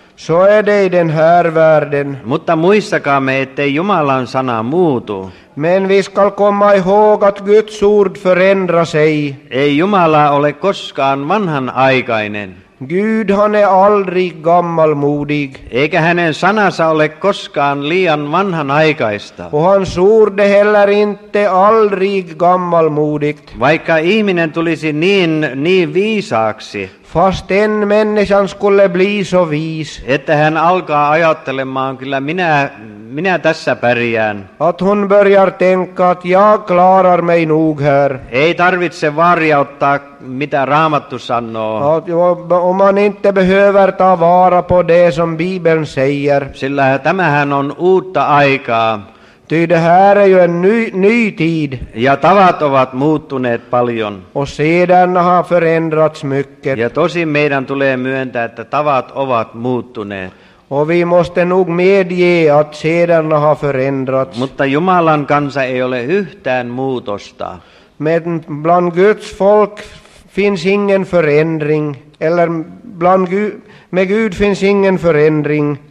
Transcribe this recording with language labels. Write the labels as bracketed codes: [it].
[sv] Så är det i den här världen. [fi] Mutta muistakaamme, ettei Jumalan sana muutu. [sv] Men vi skall komma ihåg att Guds ord förändra sig. [fi] Ei Jumala ole koskaan vanhanaikainen. [sv] Gud, han är aldrig gammalmodig. [fi] Eikä hänen sanansa ole koskaan liian vanhanaikaista. [sv] Och hans ord är heller inte aldrig gammalmodigt. [fi] Vaikka ihminen tulisi niin viisaaksi. [sv] Fast en människan skulle bli så vis. [fi] Että hän alkaa ajattelemaan, kyllä minä tässä pärjään. [sv] Att hon börjar tänka att jag klarar mig nog här. [fi] Ei tarvitse vaaria ottaa, mitä Raamattu sanoo. [sv] Om man inte behöver ta vara på det som Bibeln säger. [fi] Sillä tämähän on uutta aikaa. [sv] Ty det här är ju en ny tid. [fi] Ja tavat ovat muuttuneet paljon. [sv] Och sedan har förändrats mycket. [fi] Ja tosin meidän tulee myöntää, että tavat ovat muuttuneet. [sv] Och vi måste nog medge att sedan har förändrats. [fi] Mutta Jumalan kansa ei ole yhtään muutosta. [sv] Men bland Guds folk finns ingen förändring. Eller bland med Gud finns ingen förändring.